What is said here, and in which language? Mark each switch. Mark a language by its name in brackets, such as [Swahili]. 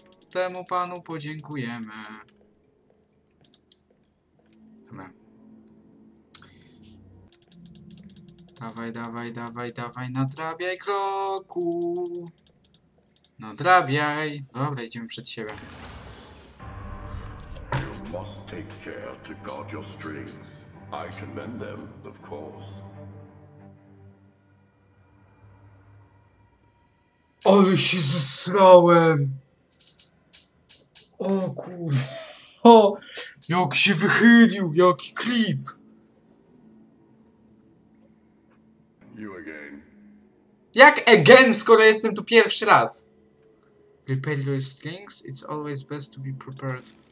[Polish] Temu panu podziękujemy. Dawaj, dawaj, dawaj, dawaj, nadrabiaj kroku. Nadrabiaj. Dobra, idziemy przed siebie. [English] You must take care to guard your strings. I commend them, of course. [Polish] Ale się zesrałem. O kurwa. O, jak się wychylił, jaki klip. You again. Jak again, skoro jestem tu pierwszy raz? [English] Repair your strings, it's always best to be prepared.